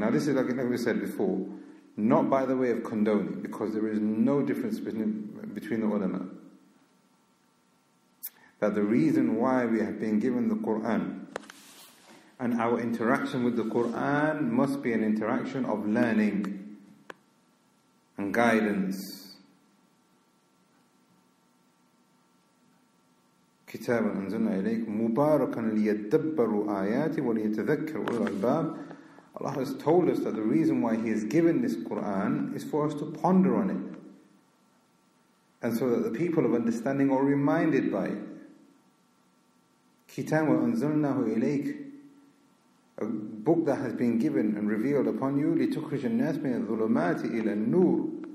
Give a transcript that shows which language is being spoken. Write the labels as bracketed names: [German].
[English] Now this is like we said before, not by the way of condoning, because there is no difference between the ulama. That the reason why we have been given the Quran and our interaction with the Quran must be an interaction of learning and guidance. [Arabic] كتاب أنزلنا إليك مباركا ليتدبروا آياتي وليتذكروا أولو الألباب. [English] Allah has told us that the reason why He has given this Quran is for us to ponder on it, and so that the people of understanding are reminded by it. [Arabic] كتاب أنزلناه إليك, [English] a book that has been given and revealed upon you, [Arabic] لتخرج الناس من الظلمات إلى النور.